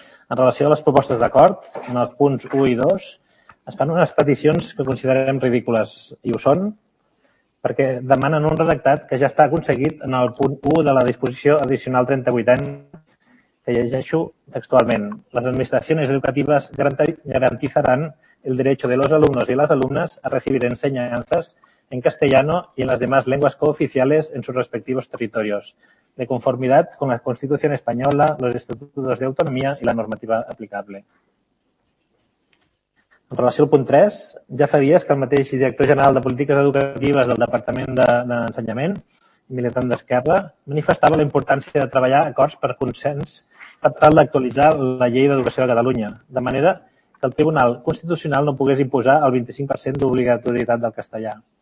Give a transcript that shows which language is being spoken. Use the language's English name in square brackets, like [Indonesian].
[Catalan] En relació a les propostes d'acord, en els punts 1 i 2, es fan unes peticions que considerem ridícules i ho són perquè demanen un redactat que ja està aconseguit en el punt 1 de la disposició addicional 38N, que llegeixo textualment. [Spanish] Les administracions educatives garantizaran el derecho de los alumnos y las alumnas a recibir enseñanzas en castellano y en las demás lenguas cooficiales en sus respectivos territorios, de conformidad con la Constitución española, los estatutos de autonomía y la normativa aplicable. [Catalan] En relació al punt 3, ja fa dies que el mateix director general de Polítiques Educatives del Departament d'Ensenyament, militant d'Esquerra, manifestava la importància de treballar acords per consens per tal d'actualitzar la Llei d'Educació de Catalunya, de manera que el Tribunal Constitucional no pogués imposar el 25% d'obligatorietat del castellà.